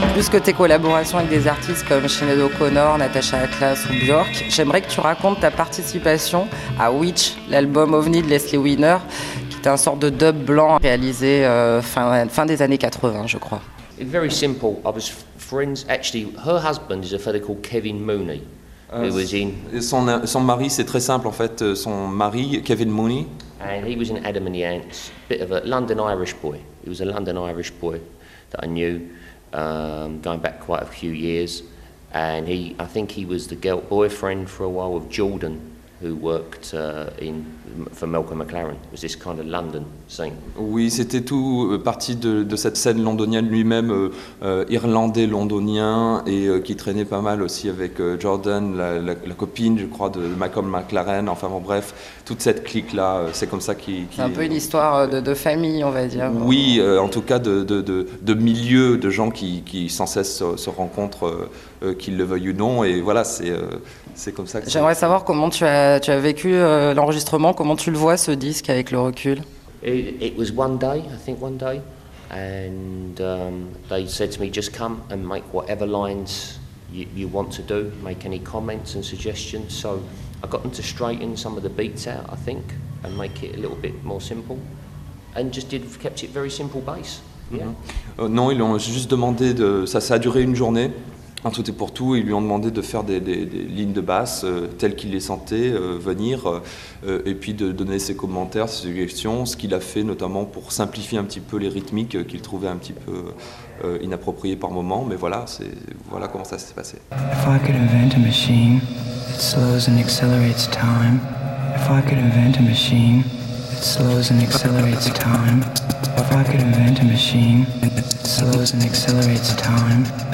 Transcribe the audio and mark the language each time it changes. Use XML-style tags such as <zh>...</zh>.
<fr>Que tes collaborations avec des artistes comme Sinead O'Connor, Natasha Atlas ou Björk, j'aimerais que tu racontes ta participation à Witch, l'album OVNI de Leslie Winer, qui est un sort de dub blanc réalisé fin des années 80, je crois.</fr> <en>It's very simple. I was friends, actually, her husband is a fellow called Kevin Mooney, who was in.</en> <fr>Son mari, c'est très simple en fait. Son mari, Kevin Mooney.</fr> <en>And he was in Adam and the Ants, bit of a London Irish boy. He was a London Irish boy that I knew, going back quite a few years. And he, I think he was the girl boyfriend for a while of Jordan, who worked in for Malcolm McLaren. It was this kind of London scene.</en> <fr>Oui, c'était tout parti de cette scène londonienne lui-même, irlandais londonien, et qui traînait pas mal aussi avec Jordan, la copine, je crois, de Malcolm McLaren. Enfin bon, bref, toute cette clique là, c'est comme ça qui c'est un peu une histoire de famille, on va dire. Oui, en tout cas de milieu, de gens qui sans cesse se rencontrent, qu'ils le veuillent ou non. Et voilà, c'est comme ça. J'aimerais ça... savoir comment tu as vécu l'enregistrement. Comment tu le vois, ce disque, avec le recul?</fr> <en>It was one day, I think one day, and they said to me, just come and make whatever lines you want to do, make any comments and suggestions. So I got them to straighten some of the beats out, I think, and make it a little bit more simple, and just kept it very simple bass. Yeah. Mm-hmm.</en> <fr>Non, ils l'ont juste demandé de... Ça a duré une journée. En tout et pour tout, ils lui ont demandé de faire des lignes de basse telles qu'il les sentait venir, et puis de donner ses commentaires, ses suggestions, ce qu'il a fait notamment pour simplifier un petit peu les rythmiques qu'il trouvait un petit peu inappropriées par moment. Mais voilà, voilà comment ça s'est passé.</fr> <en>If I could invent a machine that slows and accelerates time. If I could invent a machine that slows and accelerates time. If I could invent a machine that slows and accelerates time.</en>